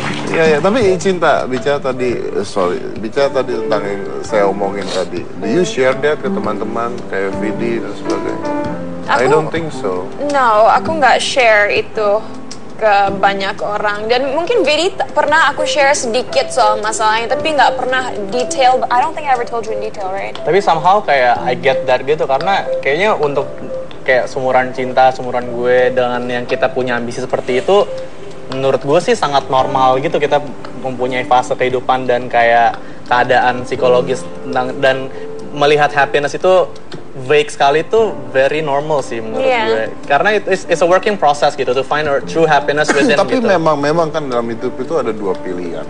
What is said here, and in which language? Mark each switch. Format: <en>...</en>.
<id>Iya, tapi Cinta, bicara tadi tentang yang saya omongin tadi.</id> <en>Do you share that</en> <id>ke teman-teman kayak Vidi dan sebagainya? Aku,</id> <en>I don't think so.</en> <id>No, aku nggak share itu ke banyak orang. Dan mungkin Vidi pernah aku share sedikit soal masalahnya, tapi nggak pernah detail.</id> <en>I don't think I ever told you in detail, right?</en> <id>Tapi somehow kayak</id> <en>I get that</en> <id>gitu, karena kayaknya untuk kayak seumuran Cinta, seumuran gue, dengan yang kita punya ambisi seperti itu, menurut gue sih sangat normal gitu kita mempunyai fase kehidupan dan kayak keadaan psikologis dan melihat happiness itu vague sekali itu</id> <en>very normal</en> <id>sih menurut gue.</id> <en>Karena it's a working process gitu to find our true happiness within.</en> <id>Tapi gitu. memang kan dalam hidup itu ada dua pilihan.</id>